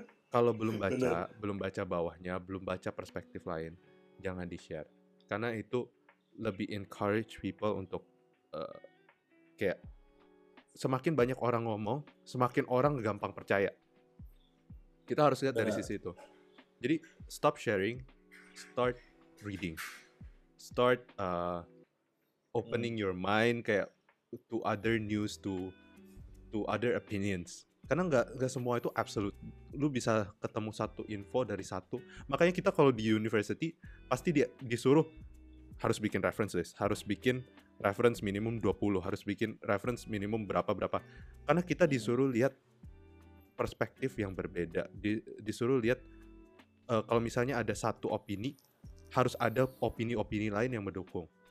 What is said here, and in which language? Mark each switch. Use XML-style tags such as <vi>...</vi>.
<id>Kalau belum baca belum baca bawahnya, belum baca perspektif lain, jangan di-share, karena itu lebih</id> <en>encourage people</en> <id>untuk kayak semakin banyak orang ngomong semakin orang gampang percaya. Kita harus lihat dari sisi itu. Jadi,</id> <en>stop sharing, start reading. Start opening your mind kayak to other news, to other opinions.</en> <id>Karena nggak semua itu absolute. Lu bisa ketemu satu info dari satu. Makanya kita kalau di university, pasti disuruh harus bikin references. Harus bikin reference minimum 20. Harus bikin reference minimum berapa-berapa. Karena kita disuruh lihat perspektif yang berbeda, disuruh lihat kalau misalnya ada satu opini, harus ada opini-opini lain yang mendukung.</id>